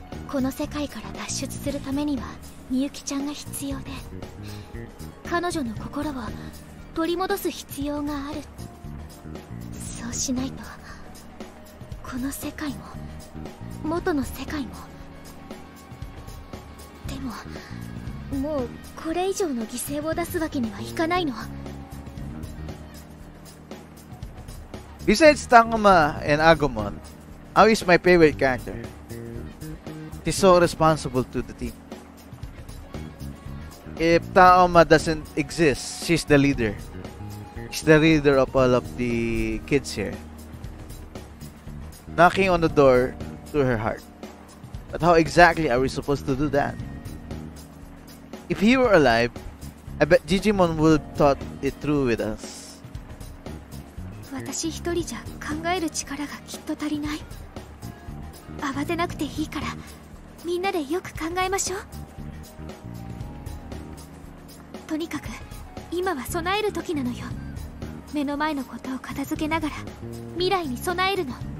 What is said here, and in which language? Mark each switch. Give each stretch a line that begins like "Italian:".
Japanese: この世界から脱出するためにはみゆきちゃんが必要で、彼女の心を取り戻す必要がある。そうしないと、この世界も元の世界も。でも、もうこれ以上の犠牲を出すわけにはいかないの。
English: Besides Tangoma and Agumon, Ao is my favorite character. He's so responsible to the team. If Tangoma doesn't exist, she's the leader. She's the leader of all of the kids here. Knocking on the door. To her heart. But how exactly are we supposed to do that? If he were alive, I bet Digimon would have thought it through with us.
Japanese: 私一人じゃ考える力がきっと足りない。慌てなくていいから、みんなでよく考えましょう。とにかく、今は備える時なのよ。目の前のことを片付けながら、未来に備えるの。